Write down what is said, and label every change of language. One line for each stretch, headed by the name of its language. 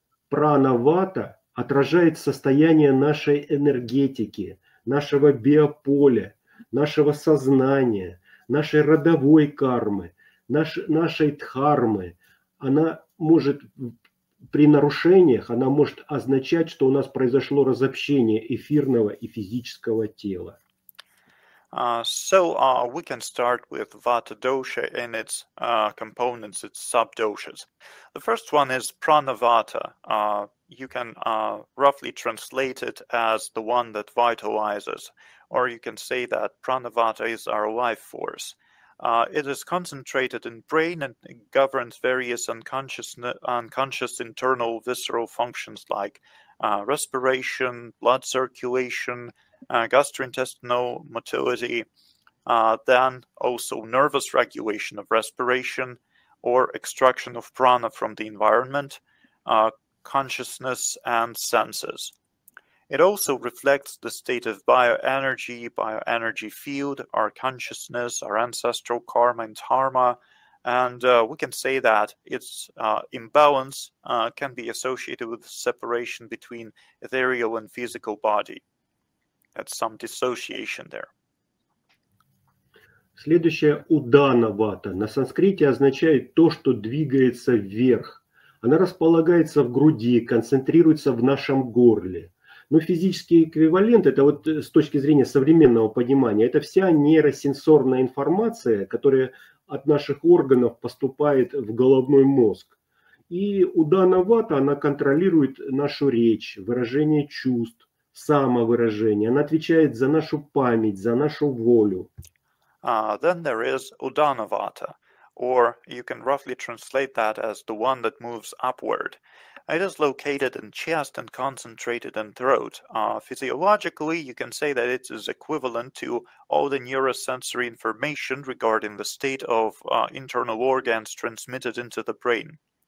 Russian: Прана-вата отражает состояние нашей энергетики, нашего биополя, нашего сознания, нашей родовой кармы, нашей дхармы. Она может... При нарушениях она может означать, что у нас произошло разобщение эфирного и физического тела.
English: We can start with Vata dosha and its components, its subdoshas. The first one is Pranavata. You can roughly translate it as the one that vitalizes, or you can say that Pranavata is our life force. It is concentrated in brain and governs various unconscious internal visceral functions like respiration, blood circulation, gastrointestinal motility, then also nervous regulation of respiration or extraction of prana from the environment, consciousness and senses. It also reflects the state of bioenergy field, our consciousness, our ancestral karma and dharma, and we can say that its imbalance can be associated with separation between ethereal and physical body. That's some dissociation there.
Russian: Следующее удана-вата на санскрите означает то, что двигается вверх. Она располагается в груди, концентрируется в нашем горле. Но физический эквивалент, это вот с точки зрения современного понимания, это вся нейросенсорная информация, которая от наших органов поступает в головной мозг. И удана-вата, она контролирует нашу речь, выражение чувств, самовыражение. Она отвечает за нашу память, за нашу волю.
English: Then there is удана-вата. or you can roughly translate that as the one that moves upward. It is located in chest and concentrated in throat. Physiologically, you can say that it is equivalent to all the neurosensory information regarding the state of internal organs transmitted into the brain.